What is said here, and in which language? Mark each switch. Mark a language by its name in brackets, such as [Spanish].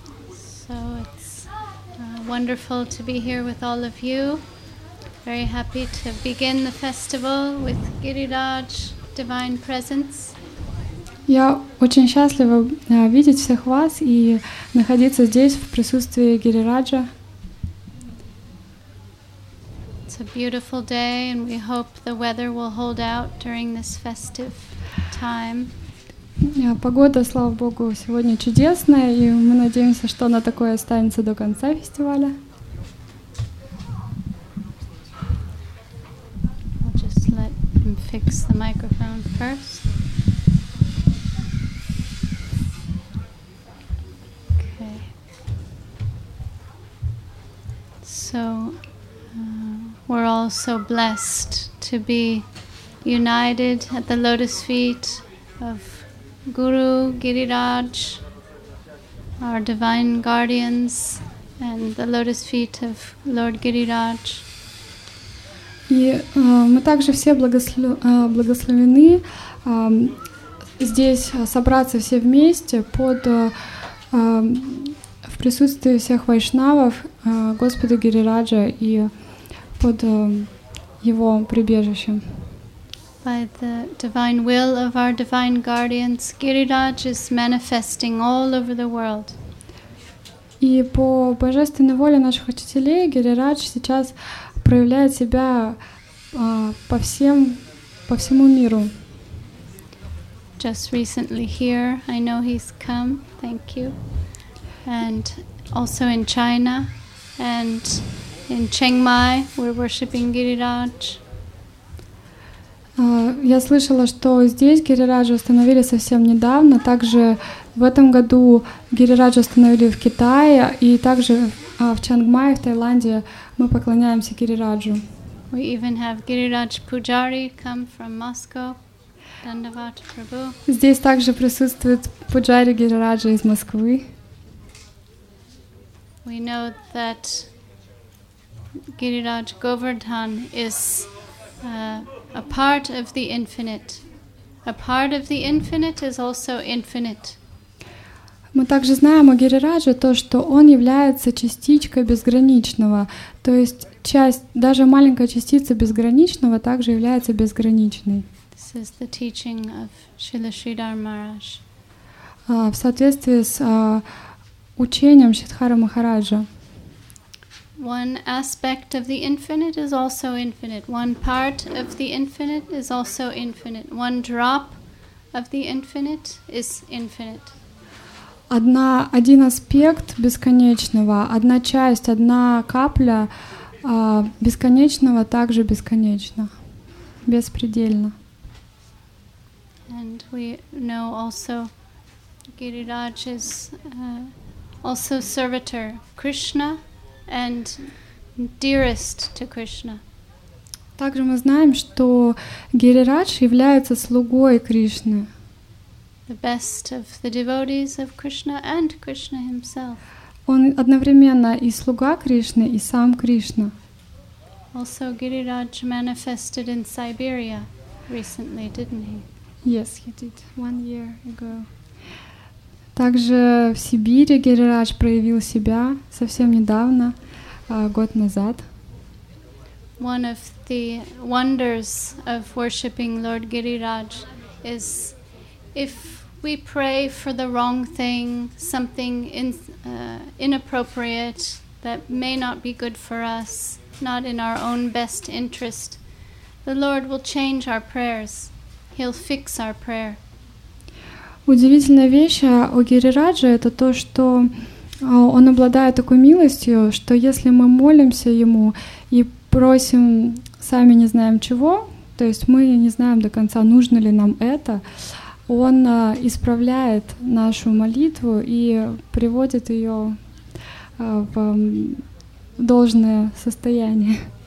[English] So it's wonderful to be here with all of you. Very happy to begin the festival with Giriraj, Divine Presence. [Russian] Я очень счастлива видеть всех вас и находиться здесь в присутствии Гирираджа. [English] It's a beautiful day, and we hope the weather will hold out during this festive time. [Russian] Погода, слава богу, сегодня чудесная, и мы надеемся, что она такой останется до конца фестиваля. [English] I'll just let him fix the microphone first. Okay. So, we're all so blessed to be united at the lotus feet of Guru, Giriraj, our divine guardians, and the lotus feet of Lord Giriraj. [Russian] Мы также все благословлены здесь собраться все вместе под в присутствии всех вайшнавов Господа Гирираджа и под его прибежищем. [English] By the divine will of our divine guardians, Giriraj is manifesting all over the world. [Russian] И по божественной воле наших учителей Гирирадж сейчас проявляет себя по всему миру. [English] Just recently here, I know he's come. Thank you. And also in China and in Chiang Mai, we're worshiping Giriraj. [Russian] Я слышала, что здесь Гирираджа установили совсем недавно. Также в этом году Гирираджа установили в Китае, и также в Чанг Май, в Таиланде, мы поклоняемся Гирираджу. [English] We even have Giriraj Pujari come from Moscow. Dandavat Prabhu. [Russian] Здесь также присутствует Пуджари Гирираджа из Москвы. [English] We know that Giriraj Govardhan is a part of the infinite. A part of the infinite is also infinite. [Russian] Мы также знаем о Гирирадже то, что он является частичкой безграничного. То есть часть, даже маленькая частица безграничного также является безграничной. [English] This is the teaching of Śrīla Śrīdhara Mahārāja. [Russian] В соответствии с учением Śrīdhāra Mahārāja. [English] One aspect of the infinite is also infinite. One part of the infinite is also infinite. One drop of the infinite is infinite. [Russian] Один аспект бесконечного, одна часть, одна капля бесконечного также бесконечна, беспредельна. [English] And we know also Giriraj is also servitor Krishna. And dearest to Krishna. [Russian] Также мы знаем, что Гирирадж является слугой Кришны. [English] The best of the devotees of Krishna and Krishna himself. [Russian] Он одновременно и слуга Кришны, и сам Кришна. [English] Also, Giriraj manifested in Siberia recently, didn't he? Yes, he did. 1 year ago. [Russian] Также в Сибири Гирирадж проявил себя совсем недавно. Год назад. [English] One of the wonders of worshipping Lord Giriraj is if we pray for the wrong thing, something inappropriate that may not be good for us, not in our own best interest, the Lord will change our prayers. He'll fix our prayer. [Russian] Удивительная вещь о Гирирадже это то, что Он обладает такой милостью, что если мы молимся Ему и просим сами не знаем чего, то есть мы не знаем до конца, нужно ли нам это, Он исправляет нашу молитву и приводит ее в должное состояние.